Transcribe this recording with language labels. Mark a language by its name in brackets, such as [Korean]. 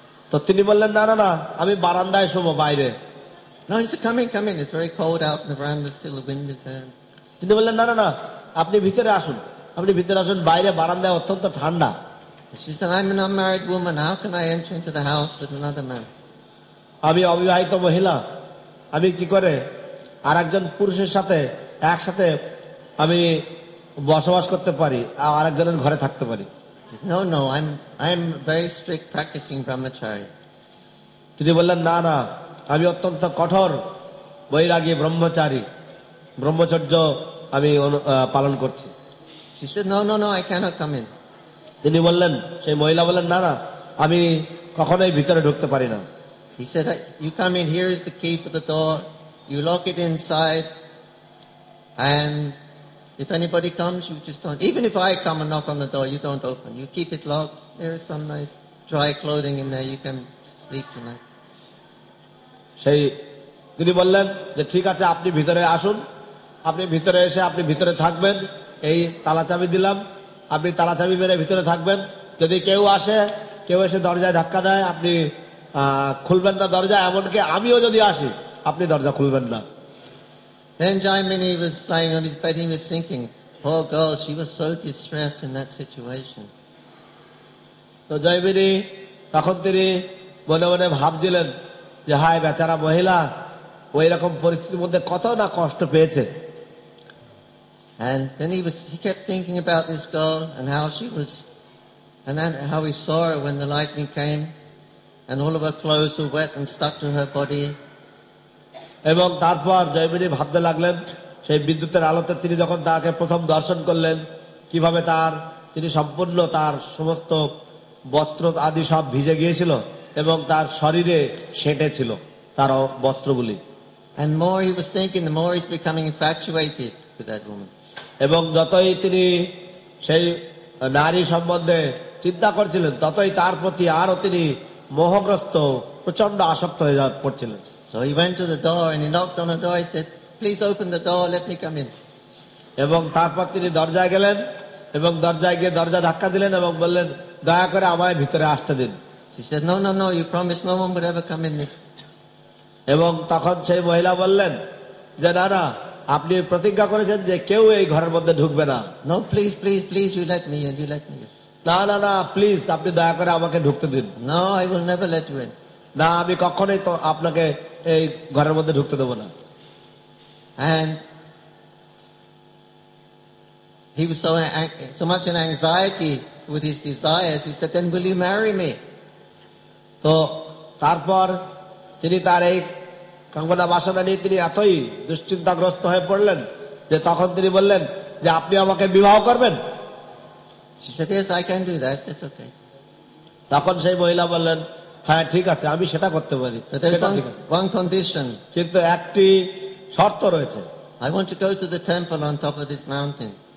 [Bangla] তো তিনি বললেন, না না না, আমি বারান্দায় শুবো বাইরে. [English] "No, he said, come in, come in. It's very cold out in the veranda still. The wind is there." [Bangla] তিনি বললেন, না না না, আপনি ভিতরে আসুন, আপনি ভিতরে আসুন, বাইরে বারান্দায় অত্যন্ত ঠান্ডা. [English] She said, "I'm an unmarried woman. How can I enter into the house with another man?" [Bangla] আমি অবিবাহিত মহিলা, আমি কি করে আর একজন পুরুষের সাথে একসাথে আমি বসবাস করতে পারি, আর একজনের ঘরে থাকতে পারি? [English] "No, no, I'm very strict practicing brahmachari." [Bangla] তিনি বললেন, না না, আমি অত্যন্ত কঠোর বৈরাগী ব্রহ্মচারী, ব্রহ্মচর্য আমি পালন করছি. [English] She said, "No, no, no, I cannot come in." [Bangla] তিনি বললেন, সেই মহিলা বললেন, না না, আমি কখনোই ভিতরে ঢুকতে পারি না. [English] He said, "You come in, here is the key for the door. You lock it inside, and if anybody comes, you just don't. Even if I come and knock on the door, you don't open. You keep it locked. There is some nice dry clothing in there. You can sleep tonight." [Bangla] সেই তিনি বললেন যে ঠিক আছে, আপনি ভিতরে আসুন, আপনি ভিতরে এসে আপনি ভিতরে থাকবেন, এই তালাচাবি দিলাম, আপনি তালাচাবি মেরে ভিতরে থাকবেন, যদি কেউ আসে, কেউ এসে দরজায় ধাক্কা দেয়, আপনি খুলবেন না দরজা, এমনকি আমিও যদি আসি, আপনি দরজা খুলবেন না. [English] Then Jaimini was lying on his bed, he was thinking, "Poor girl, she was so distressed in that situation." [Bangla] তো জয়মিনি তখন তিনি মনে মনে ভাবছিলেন যে হায় বেচারা মহিলা, ওই রকম পরিস্থিতির মধ্যে কত না কষ্ট পেয়েছে. [English] And then he kept thinking about this girl and how she was, and then how he saw her when the lightning came, and all of her clothes were wet and stuck to her body. [Bangla] এবং তারপর জয়মিনী ভাবতে লাগলেন, সেই বিদ্যুতের আলোতে তিনি যখন তাকে প্রথম দর্শন করলেন, কিভাবে তার তিনি সম্পূর্ণ তার সমস্ত বস্ত্র আদি সব ভিজে গিয়েছিল এবং তার শরীরে সেঁটে ছিল তার বস্ত্রগুলি. [English] And more he was thinking, the more he's becoming infatuated with that woman. [Bangla] এবং যতই তিনি সেই নারী সম্বন্ধে চিন্তা করছিলেন, ততই তার প্রতি আরো তিনি মোহগ্রস্ত, প্রচন্ড আসক্ত হয়ে পড়ছিলেন. [English] So he went to the door and he knocked on the door. He said, "Please open the door, let me come in." [Bangla] এবং তারপর তিনি দরজায় গেলেন এবং দরজায় গিয়ে দরজা ধাক্কা দিলেন এবং বললেন, দয়া করে আমায় ভিতরে আসতে দিন. [English] She said, "No, no, no, you promised no one would ever come in this." [Bangla] এবং তখন সেই মহিলা বললেন যে, না না, আপনি প্রতিজ্ঞা করেছেন যে কেউ এই ঘরের মধ্যে ঢুকবে না. [English] "No, please, please, please, you let me in, you let me in." [Bangla] না না না, প্লিজ, আপনি দয়া করে আমাকে ঢুকতে দিন. [English] "No, I will never let you in." [Bangla] না, আমি কখনোই তো আপনাকে এই ঘরের মধ্যে ঢুকতে দেব না. [English] And he was so much in anxiety with his desires, he said, "Then will you marry me?" [Bangla] তো তারপর তিনি তার এই কাঙ্ক্ষা বাসনা নিয়ে তিনি এতই দুশ্চিন্তাগ্রস্ত হয়ে পড়লেন যে তখন তিনি বললেন যে, আপনি আমাকে বিবাহ করবেন? [English] She said, "Yes, I can do that. That's okay." [Bangla] তখন সেই মহিলা বললেন, হ্যাঁ ঠিক আছে, আমি সেটা করতে পারি. [English] One condition. [Bangla] কিন্তু একটি শর্ত রয়েছে. [English] I want to go to the temple on top of this mountain.